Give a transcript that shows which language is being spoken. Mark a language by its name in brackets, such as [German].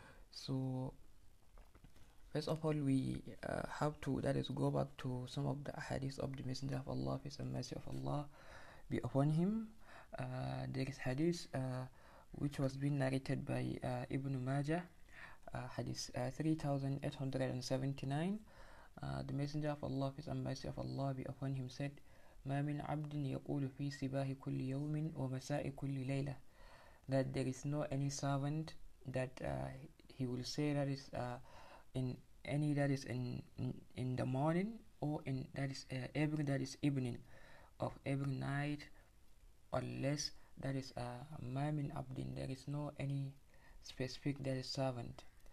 [English] So, first of all, we have to that is go back to some of the Ahadith of the Messenger of Allah, peace and mercy of Allah be upon him. There is hadith which was being narrated by Ibn Majah, hadith 3879. The Messenger of Allah, peace and mercy of Allah be upon him, said, [Arabic] ما من عبد يقول في سباه كل يوم ومساء كل ليلة. [English] That there is no any servant that he will say that is in any that is in the morning or in that is every that is evening of every night. Unless that is a [Arabic] ma'min abdin, [English] there is no any specific that is servant.